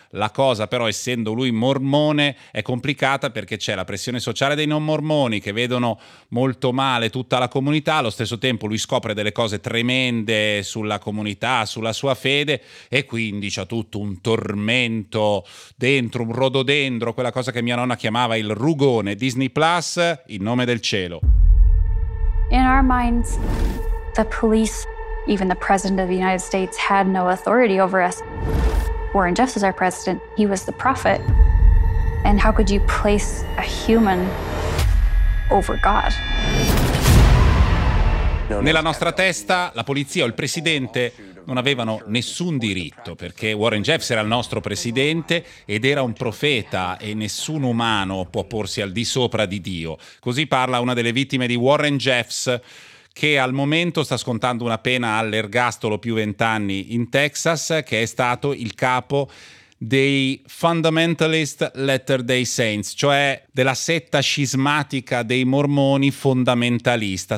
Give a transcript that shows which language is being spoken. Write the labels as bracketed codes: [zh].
[it] La cosa però, essendo lui mormone, è complicata perché c'è la pressione sociale dei non mormoni che vedono molto male tutta la comunità. Allo stesso tempo lui scopre delle cose tremende sulla comunità, sulla sua fede, e quindi c'è tutto un tormento dentro, un rododendro, quella cosa che mia nonna chiamava il rugone. Disney Plus, In nome del cielo. [en] In our minds, the police, even the president of the United States, had no authority over us. Warren Jeffs is our president. He was the prophet. And how could you place a human over God? [it] Nella nostra testa, la polizia o il presidente non avevano nessun diritto, perché Warren Jeffs era il nostro presidente ed era un profeta, e nessun umano può porsi al di sopra di Dio. Così parla una delle vittime di Warren Jeffs, che al momento sta scontando una pena all'ergastolo più 20 anni in Texas, che è stato il capo dei Fundamentalist Latter-day Saints, cioè della setta scismatica dei mormoni fondamentalista.